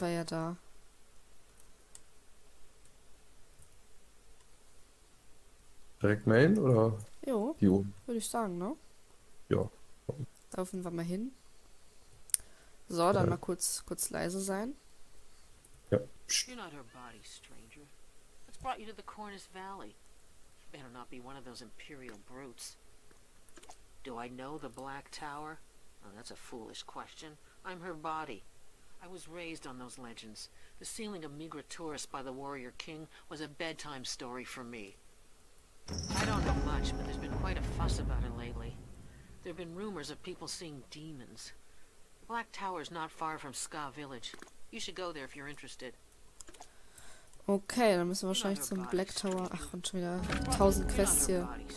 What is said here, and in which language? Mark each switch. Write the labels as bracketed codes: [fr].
[de] wir ja da. Direkt Main oder Jo, hier oben? würde ich sagen, ne? Ja. Laufen wir mal hin. So, dann mal kurz leise sein. [en] You're not her body, stranger. What's brought you to the Cornus Valley? You better not be one of those Imperial brutes. Do I know the Black Tower? Well, that's a foolish question. I'm her body. I was raised on those legends. The sealing of Migratoris by the Warrior King was a bedtime story for me. I don't know much, but there's been quite a fuss about her lately. There have been rumors of people seeing demons. The Black Tower's not far from Ska Village. You should go there if you're interested. [de] Okay, dann müssen wir wahrscheinlich zum Black Tower. Ach, und schon wieder 1000 Quests hier.